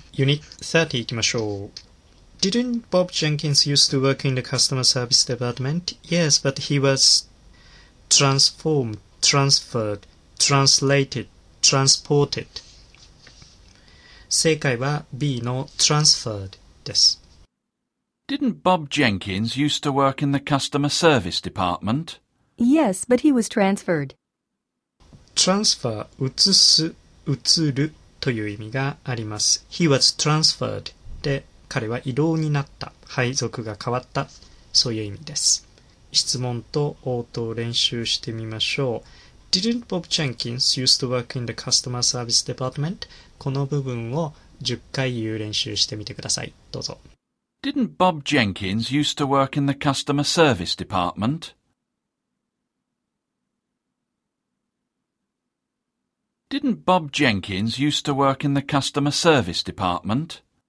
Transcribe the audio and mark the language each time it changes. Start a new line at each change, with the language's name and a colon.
Japanese: Unit 30行きましょう。
English: Didn't Bob Jenkins used to work in the customer service department? Yes, but he was transformed, transferred, translated, transported.
Japanese: 正解は B の transferred です。
English: Didn't Bob Jenkins used to work in the customer service department? Yes, but he was transferred.
Japanese: Transfer, 移す、移るという意味があります。
English: He was transferred.
Japanese: で、彼は異動になった。配属が変わった。そういう意味です。質問と応答を練習してみましょう。
English: Didn't Bob Jenkins used to work in the customer service department?
Japanese: この部分を10回言う練習してみてください。どうぞ。
English: Didn't Bob Jenkins used to work in the customer service department? Didn't Bob Jenkins used to work in the customer service department?